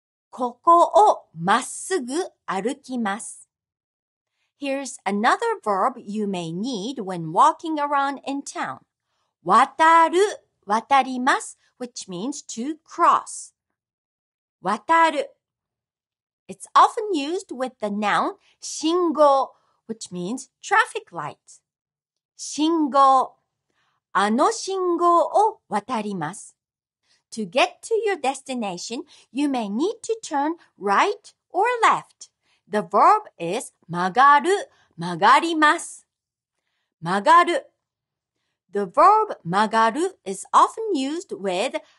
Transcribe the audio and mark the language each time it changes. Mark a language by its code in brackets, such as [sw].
[ja] ここをまっすぐ歩きます。 [en] Here's another verb you may need when walking around in town. [ja] 渡る、渡ります [en] which means to cross. [ja] 渡る [en] It's often used with the noun 信号 which means traffic light. [ja] 信号あの信号を渡ります [en] To get to your destination, you may need to turn right or left. The verb is [ja] 曲がる、曲がります。曲がる。 [en] The verb 曲がる is often used with